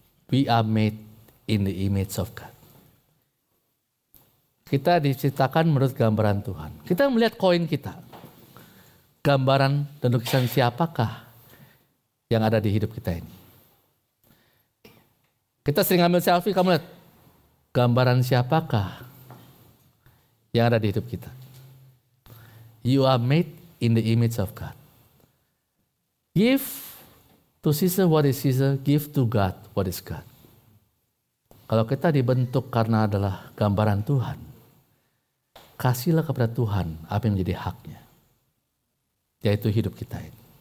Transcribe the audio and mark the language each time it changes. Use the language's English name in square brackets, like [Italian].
[English] We are made in the image of God. [Indonesian] Kita diciptakan menurut gambaran Tuhan. Kita melihat koin kita. Gambaran dan lukisan siapakah yang ada di hidup kita ini. Kita sering ambil selfie, kamu lihat. Gambaran siapakah yang ada di hidup kita. [English] You are made in the image of God. Give to Caesar what is Caesar, give to God what is God. [Indonesian] Kalau kita dibentuk karena adalah gambaran Tuhan, kasihlah kepada Tuhan apa yang menjadi haknya, yaitu hidup kita ini.